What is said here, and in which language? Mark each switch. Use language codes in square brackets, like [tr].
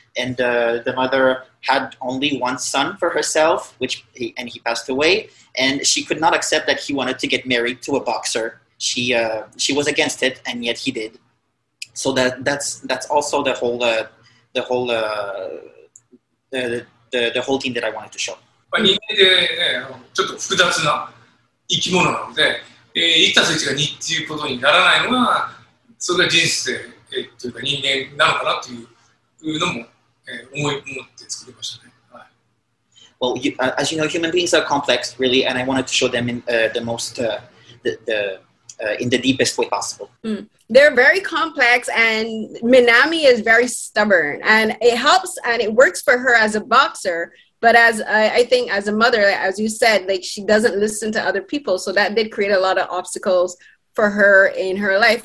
[en] And the mother had only one son for herself, and he passed away. And she could not accept that he wanted to get married to a boxer. She was against it, and yet he did. So that's also the whole thing that I wanted to show. [ja] 人間で、ね、ちょっと複雑な生き物なので、生きた生きが人っていうことにならないのが、それが人生、というか人間なのかなというのも、思って作りましたね。 [en] Well, you, as you know, human beings are complex, really, and I wanted to show them in the most, in the deepest way possible. Mm. They're very complex, and Minami is very stubborn, and it helps and it works for her as a boxer, but as I think as a mother, as you said, like she doesn't listen to other people, so that did create a lot of obstacles for her in her life.